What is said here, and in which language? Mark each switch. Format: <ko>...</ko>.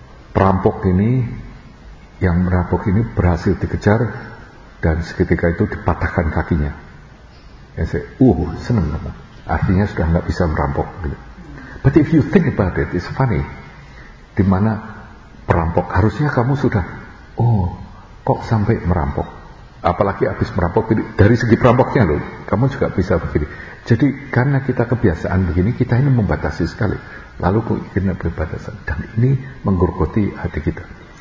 <id>Perampok ini, yang merampok ini berhasil dikejar dan seketika itu dipatahkan kakinya. Ya saya, seneng kamu. Artinya sudah enggak bisa merampok. Gitu.</id> <en>But if you think about it, it's funny.</en> <id>Di mana perampok, harusnya kamu sudah, oh, kok sampai merampok, apalagi habis merampok, dari segi perampoknya loh, kamu juga bisa begini. Jadi karena kita kebiasaan begini, kita ini membatasi sekali, lalu kita berbatasan, dan ini menggerogoti hati kita.</id>